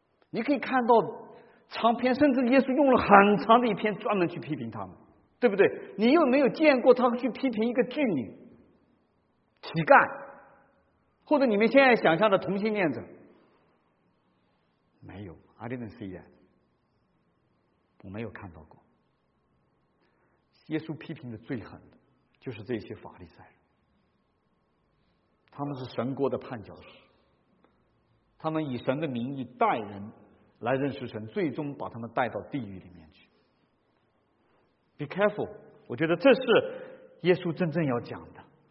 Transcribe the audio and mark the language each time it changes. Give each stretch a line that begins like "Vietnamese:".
Chinese: 你可以看到长篇，甚至耶稣用了很长的一篇专门去批评他们，对不对？你又没有见过他去批评一个妓女、乞丐，或者你们现在想象的同性恋者，没有。
English: I didn't see that，
Chinese: 我没有看到过。耶稣批评的最狠的就是这些法利赛人，他们是神国的绊脚石，他们以神的名义带人来认识神，最终把他们带到地狱里面去。
English: Be careful，
Chinese: 我觉得这是耶稣真正要讲的。